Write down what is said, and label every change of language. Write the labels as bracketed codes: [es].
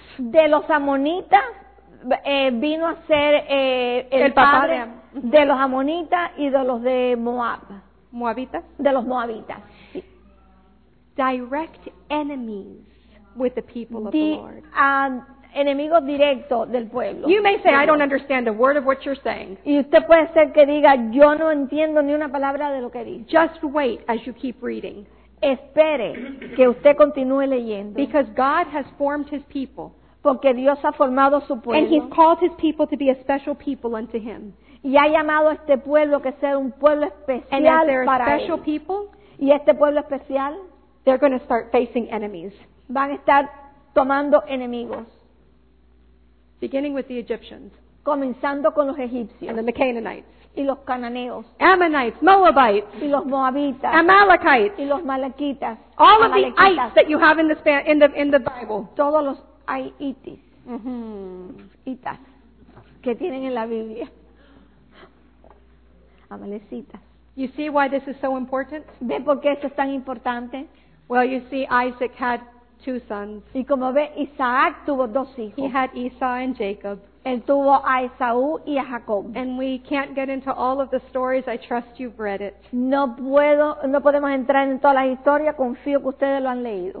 [es] De los Amonitas vino a ser el padre de los Amonitas y de los de Moab. Moabitas. De los Moabitas. [en] Direct enemies with the people of the Lord. [es] Enemigos directos del pueblo. [en] You may say, I don't understand a word of what you're saying. [es] Y usted puede ser que diga, yo no entiendo ni una palabra de lo que dice. [en] Just wait as you keep reading. [es] Espere que usted continúe leyendo. [en] Because God has formed his people. [es] Porque Dios ha formado su pueblo. [en] And he's called his people to be a special people unto him. [es] Y ha llamado a este pueblo que sea un pueblo especial para él. [en] And as they're a special people, [es] y este pueblo especial, [en] they're going to start facing enemies. [es] Van a estar tomando enemigos. [en] Beginning with the Egyptians. [es] Comenzando con los egipcios. [en] And then the Canaanites. [es] Y los cananeos. [en] Ammonites, Moabites, [es] y los Moabitas, [en] Amalekites, [es] y los Malaquitas, [en] all of the ites that you have in the Bible. [es] Todos los aitis, itas, que tienen en la Biblia. Amalecitas. [en] You see why this is so important? [es] ¿Ve por qué esto es tan importante? [en] Well, you see, Isaac had two sons. [es] Y como ve, Isaac tuvo dos hijos. [en] He had Esau and Jacob. [es] Él tuvo a Esaú y a Jacob. [en] And we can't get into all of the stories. I trust you've read it. [es] No podemos entrar en todas las historias. Confío que ustedes lo han leído.